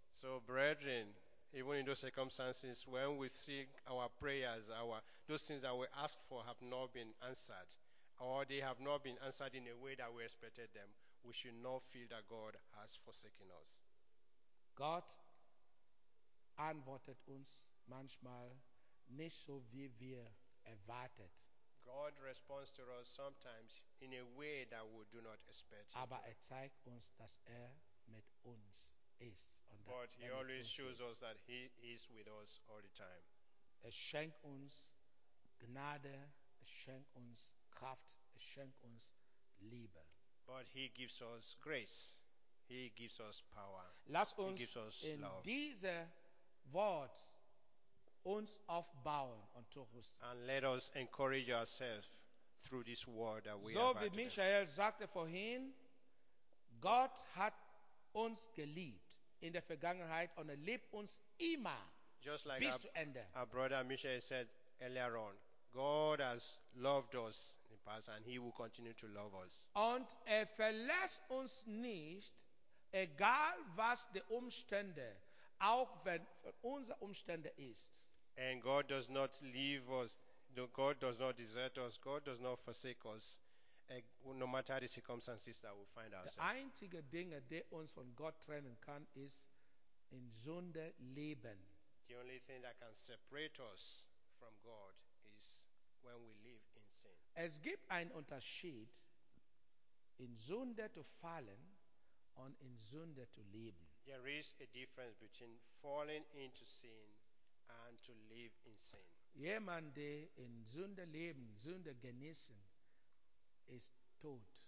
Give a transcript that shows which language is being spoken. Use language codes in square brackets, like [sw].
[en] So, brethren, even in those circumstances, when we see our prayers, those things that we ask for have not been answered, or they have not been answered in a way that we expected them, we should not feel that God has forsaken us. [de] Gott antwortet uns manchmal nicht so, wie wir erwartet. [en] God responds to us sometimes in a way that we do not expect. [de] Aber er zeigt uns, dass er mit uns ist. Und [en] but he always shows us that he is with us all the time. [de] Er schenkt uns Gnade, er schenkt uns Kraft, er schenkt uns Liebe. [en] But he gives us grace. He gives us power. [de] Lass uns [en] he gives us in love. [de] Diese Wort uns aufbauen und zurüsten. [en] And let us encourage ourselves through this word that we so have. [de] So wie Michael sagte vorhin, Gott hat uns geliebt in der Vergangenheit und er liebt uns immer. [en] just like our brother Michel said earlier on, God has loved us in the past and he will continue to love us. [de] Und er verlässt uns nicht, egal was die Umstände, auch wenn für unsere Umstände ist. [en] And God does not leave us, God does not desert us, God does not forsake us, no matter the circumstances that we find ourselves. [de] Die einzige Dinge, die uns von Gott trennen kann, ist in Sünde leben. [en] The only thing that can separate us from God is when we live in sin. [de] Es gibt einen Unterschied in Sünde zu fallen und in Sünde zu leben. [en] There is a difference between falling into sin and to live in sin. [de] Jemand, der in Sünde leben, Sünde genießen, ist tot.